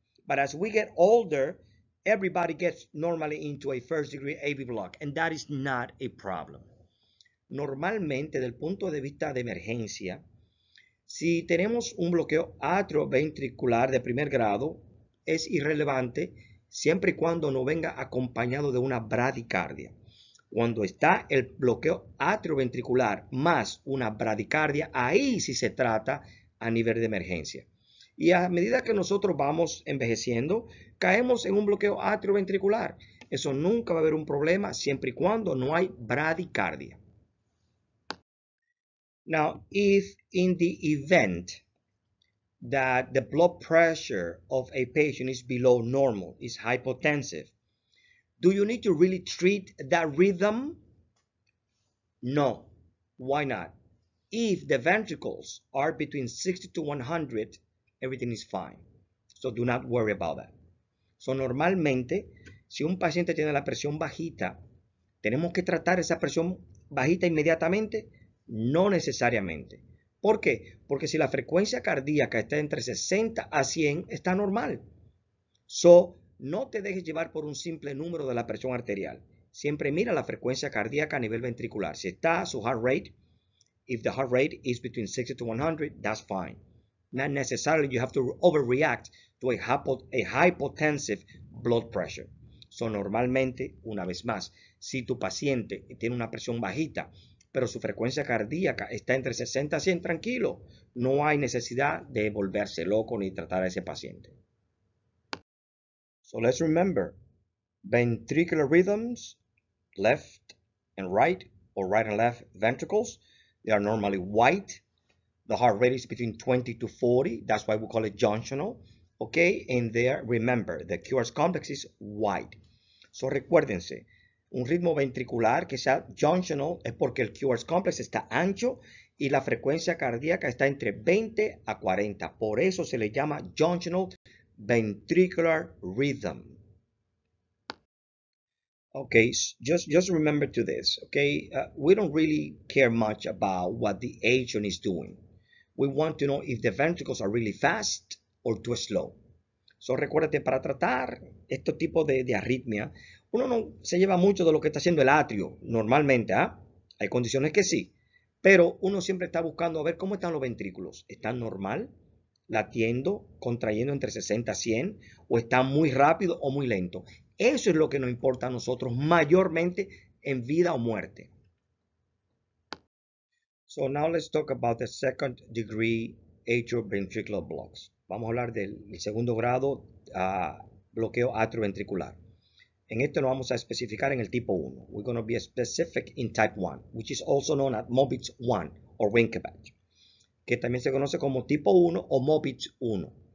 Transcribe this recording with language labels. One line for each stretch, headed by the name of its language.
English: But as we get older, everybody gets normally into a first degree AV block, and that is not a problem.
Spanish: Normalmente, del punto de vista de emergencia, si tenemos un bloqueo atrioventricular de primer grado, es irrelevante siempre y cuando no venga acompañado de una bradicardia. Cuando está el bloqueo atrioventricular más una bradicardia, ahí sí se trata a nivel de emergencia. Y a medida que nosotros vamos envejeciendo, caemos en un bloqueo atrioventricular. Eso nunca va a haber un problema siempre y cuando no hay bradicardia.
English: Now, if in the event that the blood pressure of a patient is below normal, is hypotensive, do you need to really treat that rhythm? No. Why not? If the ventricles are between 60 to 100, everything is fine. So do not worry about that.
Spanish: So normalmente, si un paciente tiene la presión bajita, ¿tenemos que tratar esa presión bajita inmediatamente? No necesariamente. ¿Por qué? Porque si la frecuencia cardíaca está entre 60 a 100, está normal. So, no te dejes llevar por un simple número de la presión arterial. Siempre mira la frecuencia cardíaca a nivel ventricular. Si está su
English: heart rate, if the heart rate is between 60 to 100, that's fine. Not necessarily you have to overreact to a hypotensive blood pressure.
Spanish: So, normalmente, una vez más, si tu paciente tiene una presión bajita, pero su frecuencia cardíaca está entre 60 a 100, tranquilo. No hay necesidad de volverse loco ni tratar a ese paciente.
English: So let's remember, ventricular rhythms, left and right, or right and left ventricles, they are normally white. The heart rate is between 20 to 40, that's why we call it junctional. Okay, and there, remember, the QRS complex is white.
Spanish: So recuérdense, un ritmo ventricular que sea junctional es porque el QRS complex está ancho y la frecuencia cardíaca está entre 20 a 40. Por eso se le llama junctional ventricular rhythm.
English: Okay, just remember to this, okay? We don't really care much about what the agent is doing. We want to know if the ventricles are really fast or too slow.
Spanish: So recuérdate, para tratar este tipo de arritmia, uno no se lleva mucho de lo que está haciendo el atrio, normalmente, ¿ah? Hay condiciones que sí, pero uno siempre está buscando a ver cómo están los ventrículos. ¿Están normal, latiendo, contrayendo entre 60 a 100, o están muy rápido o muy lento? Eso es lo que nos importa a nosotros mayormente en vida o muerte.
English: So now let's talk about the second degree atrioventricular blocks.
Spanish: Vamos a hablar del segundo grado bloqueo atrioventricular. En esto nos vamos a especificar en el tipo 1.
English: We're going to be specific in type 1, which is also known as Mobitz 1 or Winkeberg,
Spanish: que también se conoce como tipo 1 o Mobitz 1.